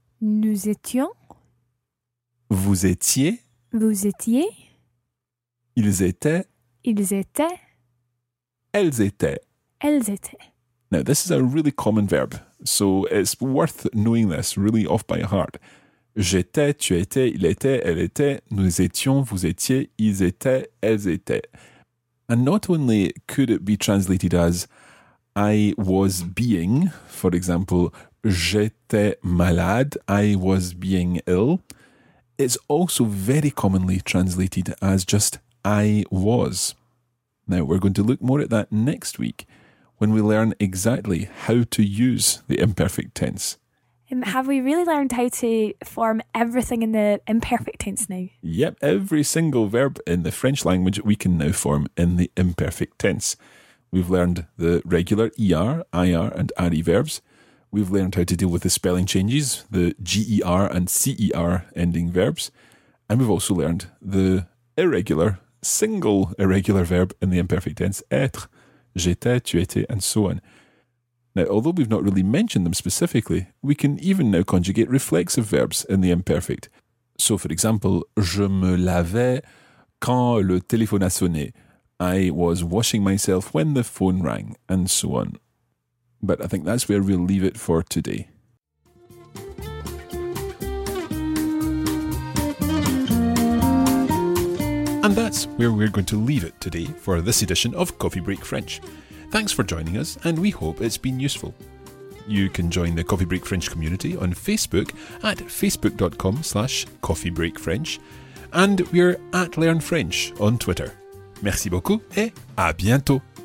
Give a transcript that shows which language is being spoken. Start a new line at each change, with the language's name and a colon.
French: Nous étions. Vous étiez. Vous étiez. Ils étaient. Ils étaient. Elles étaient. Elles étaient.
English: Now, this is a really common verb, so it's worth knowing this really off by heart.
French: J'étais, tu étais, il était, elle était, nous étions, vous étiez, ils étaient, elles étaient.
English: And not only could it be translated as I was being, for example,
French: j'étais malade,
English: I was being ill, it's also very commonly translated as just I was. Now, we're going to look more at that next week when we learn exactly how to use the imperfect tense. Have we really learned how to form everything in the imperfect tense now? Yep, every single verb in the French language we can now form in the imperfect tense. We've learned the regular ER, IR and RE verbs. We've learned how to deal with the spelling changes, the GER and CER ending verbs. And we've also learned the irregular, single irregular verb in the imperfect tense, être,
French: j'étais, tu étais
English: and so on. Now, although we've not really mentioned them specifically, we can even now conjugate reflexive verbs in the imperfect. So, for example,
French: je me lavais quand le téléphone a sonné.
English: I was washing myself when the phone rang, and so on. But I think that's where we'll leave it for today. And that's where we're going to leave it today for this edition of Coffee Break French. Thanks for joining us, and we hope it's been useful. You can join the Coffee Break French community on Facebook at facebook.com/coffeebreakfrench, and we're at Learn French on Twitter.
French: Merci beaucoup et à bientôt!